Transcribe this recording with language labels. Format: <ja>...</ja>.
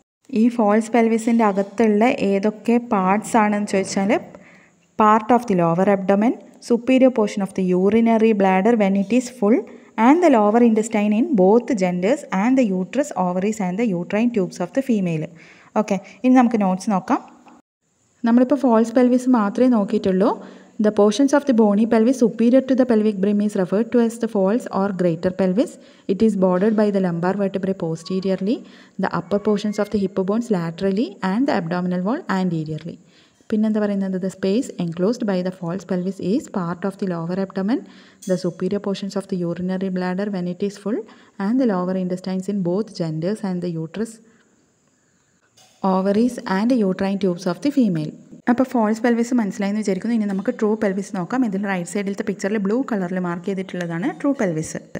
<ml>ഈ ഫോൾസ് പെൽവിസിൻ്റെ അകത്തുള്ള ഏതൊക്കെ പാർട്സ് ആണെന്ന് ചോദിച്ചാൽ,</ml> <en>Part of the lower abdomen, superior portion of the urinary bladder when it is full, and the lower intestine in both genders and the uterus ovaries and the uterine tubes of the female.</en> <ml>Okay, ഇനി നമുക്ക് notes നോക്കാം. നമ്മളിപ്പോൾ false pelvis മാത്രമേ നോക്കിയിട്ടുള്ളൂ.</ml> <en>The portions of the bony pelvis superior to the pelvic brim is referred to as the false or greater pelvis. It is bordered by the lumbar vertebrae posteriorly, the upper portions of the hip bones laterally and the abdominal wall anteriorly.</en> <ml>പിന്നെ എന്താ പറയുന്നത്?</ml> <en>The space enclosed by the false pelvis is part of the lower abdomen, the superior portions of the urinary bladder when it is full and the lower intestines in both genders and the uterus ovaries and uterine tubes of the female.</en> <ml>അപ്പോൾ false pelvis മനസ്സിലായി എന്ന് വിചാരിക്കുന്നു. ഇനി നമുക്ക് true pelvis നോക്കാം. ഇതിൽ right സൈഡിലത്തെ പിക്ചറിൽ blue കളറിൽ മാർക്ക് ചെയ്തിട്ടുള്ളതാണ് ട്രൂ പെൽവിസ്.</ml>